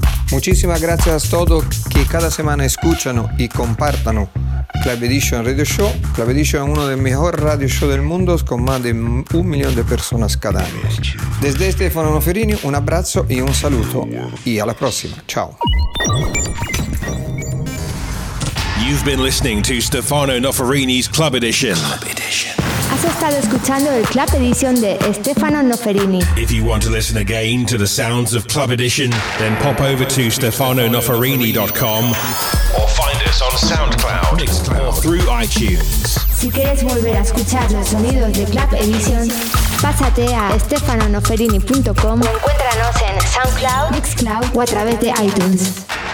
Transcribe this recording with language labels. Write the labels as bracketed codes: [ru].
[es] Muchísimas gracias a todos que cada semana escuchano y compartano Club Edition Radio Show. Club Edition es uno de los mejores radio shows del mundo, con más de 1 millón de personas cada año. Desde Stefano Noferini, un abrazo y un saludo. Y a la próxima. Chao. [en] You've been listening to Stefano Noferini's Club Edition. [es] Club Edition. Has estado escuchando el Club Edition de Stefano Noferini. [en] If you want to listen again to the sounds of Club Edition, then pop over to stefanonoferini.com. SoundCloud or through iTunes. [es] Si quieres volver a escuchar los sonidos de Club Edition, pásate a stefanonoferini.com o encuéntranos en SoundCloud, Mixcloud o a través de iTunes.